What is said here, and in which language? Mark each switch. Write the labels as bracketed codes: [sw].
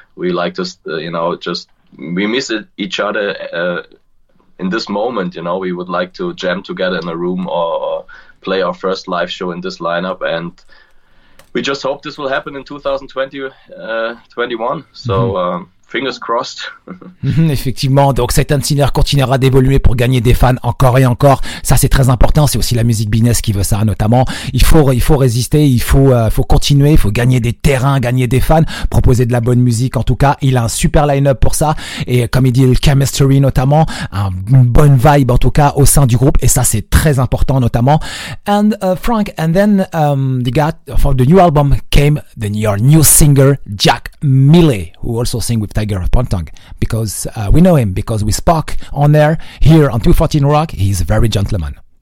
[en] We like to, you know, just we miss it, each other in this moment. You know, we would like to jam together in a room or play our first live show in this lineup, and we just hope this will happen in 2021. So. Mm-hmm. Fingers crossed. [fr] Effectivement, donc Satan Sinner continuera d'évoluer pour gagner des fans encore et encore. Ça, c'est très important. C'est aussi la musique business qui veut ça, notamment. Il faut résister. Il faut continuer. Il faut gagner des terrains, gagner des fans, proposer de la bonne musique. En tout cas, il a un super line-up pour ça. Et comme il dit, le chemistry, notamment, une bonne vibe, en tout cas, au sein du groupe. Et ça, c'est très important, notamment. [en] And Frank, and then for the new album came your new singer, Jack Millet, who also sing with Tiger Pontang, because we know him, because we spoke on there here on 214 Rock. He's a very gentleman.